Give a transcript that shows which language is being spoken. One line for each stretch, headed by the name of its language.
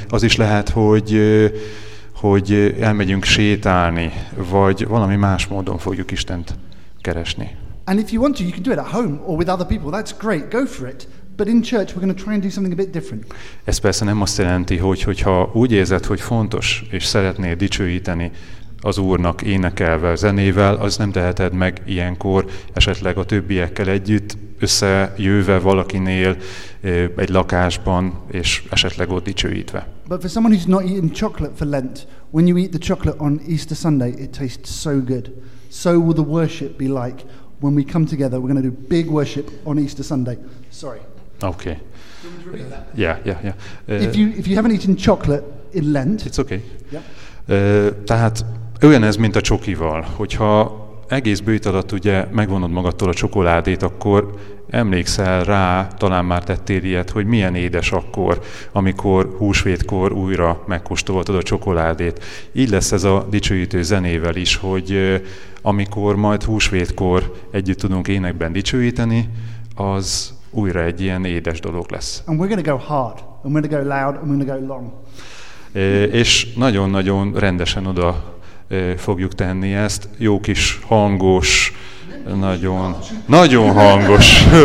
Hungarian: Az is lehet, hogy elmegyünk sétálni, vagy valami más módon fogjuk Istent keresni.
English: And if you want to, you can do it at home or with other people. That's great. Go for it. But in church, we're going to try and do something a bit different.
Hungarian: Ez persze nem azt jelenti, hogyha úgy érzed, hogy fontos, és szeretnél dicsőíteni az Úrnak énekelve, zenével, az nem teheted meg ilyenkor esetleg a többiekkel együtt, összejöve valakinél egy lakásban, és esetleg ott dicsőítve.
English: But for someone who's not eaten chocolate for Lent, when you eat the chocolate on Easter Sunday, it tastes so good. So will the worship be like when we come together, we're going to do big worship on Easter Sunday. Sorry. Okay. If you haven't eaten chocolate in Lent, it's okay. Yeah.
Hungarian: Tehát olyan ez, mint a csokival, hogyha egész bőjt alatt ugye megvonod magadtól a csokoládét, akkor emlékszel rá, talán már tettél ilyet, hogy milyen édes akkor, amikor húsvétkor újra megkóstoltad a csokoládét. Így lesz ez a dicsőítő zenével is, hogy amikor majd húsvétkor együtt tudunk énekben dicsőíteni, az újra egy ilyen édes dolog lesz.
English: And we're going to go hard, and we're going to go loud, and we're going to go long.
Hungarian: És nagyon-nagyon rendesen oda fogjuk tenni ezt. Jó kis hangos, nagyon, nagyon hangos.